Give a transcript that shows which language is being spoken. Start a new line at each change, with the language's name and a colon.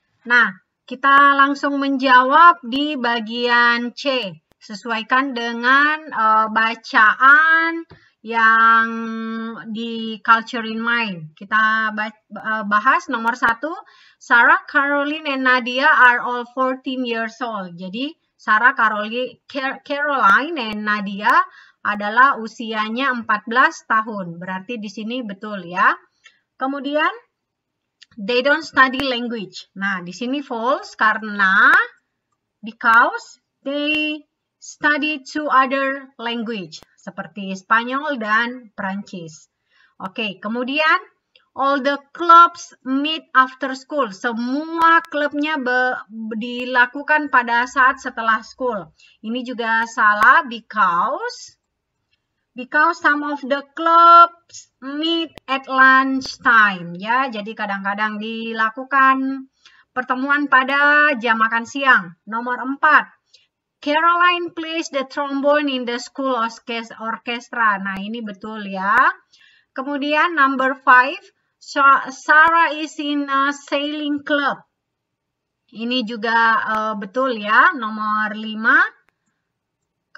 Indonesian: Nah, kita langsung menjawab di bagian C. Sesuaikan dengan bacaan yang di Culture in Mind. Kita bahas nomor 1.
English: Sarah, Caroline, and Nadia are all 14 years old.
Indonesian: Jadi, Sarah, Caroline, and Nadia adalah usianya 14 tahun. Berarti di sini betul ya. Kemudian,
English: they don't study language.
Indonesian: Nah, di sini
English: false
Indonesian: karena
English: because they study two other language.
Indonesian: Seperti Spanyol dan Perancis. Oke, kemudian,
English: all the clubs meet after school.
Indonesian: Semua klubnya dilakukan pada saat setelah school. Ini juga salah
English: because some of the clubs meet at lunch time ya.
Indonesian: Jadi kadang-kadang dilakukan pertemuan pada jam makan siang. Nomor 4.
English: Caroline plays the trombone in the school orchestra.
Indonesian: Nah, ini betul ya. Kemudian
English: number 5, Sarah is in a sailing club.
Indonesian: Ini juga betul ya, nomor 5.